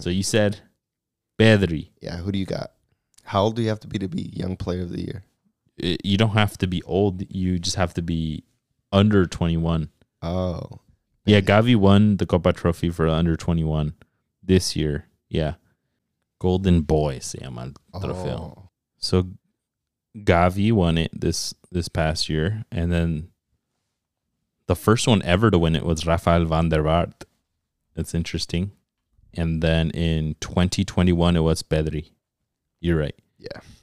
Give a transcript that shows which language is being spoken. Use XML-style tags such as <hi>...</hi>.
<en>So you said Pedri. Yeah, who do you got? How old do you have to be young player of the year? You don't have to be old. You just have to be under 21. Oh. Yeah, Gavi won the Copa Trophy for under 21 this year. Yeah.</en> <es>Golden Boy, se llama el trofeo.</es> <en>So Gavi won it this past year. And then the first one ever to win it was Rafael van der Vaart. That's interesting. And then in 2021, it was Pedri. You're right. Yeah.</en>